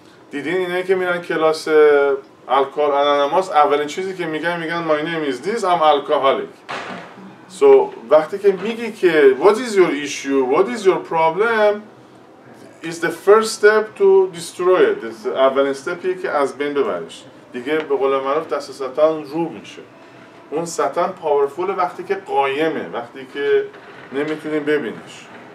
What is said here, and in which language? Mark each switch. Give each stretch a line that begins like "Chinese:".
Persian: دیدین اینه که میرن کلاس الکال انانماس، اولین چیزی که میگن
English: my name is this, I'm alcoholic. So
Persian: وقتی که میگی که
English: what is your issue, what is your problem is the first step to destroy it.
Persian: اولین استپیه که از بین ببرش. دیگه به قول معروف دست ستان رو میشه. اون ستان پاورفوله وقتی که قایمه، وقتی که نمیتونیم ببینیش.